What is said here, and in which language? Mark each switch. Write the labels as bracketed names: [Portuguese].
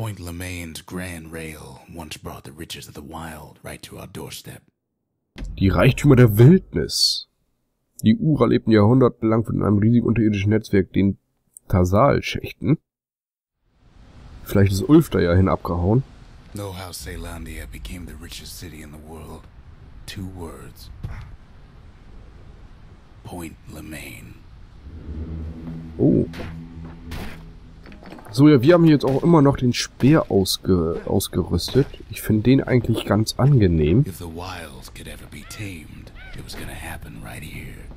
[English] Point Lemaine's Grand Rail once brought the riches of the wild right to our doorstep. [German] Die Reichtümer der Wildnis. Die Ura lebten jahrhundertelang von einem riesigen unterirdischen Netzwerk, den Tasal-Schächten. Vielleicht ist Ulf da ja hin abgehauen. [English] No House Ceylandia became the richest city in the world. Two words. Point Lemaine. Oh. [German] So, ja, wir haben hier jetzt auch immer noch den Speer ausgerüstet. Ich finde den eigentlich ganz angenehm. [English] If the wilds could ever be tamed, it was gonna happen right here.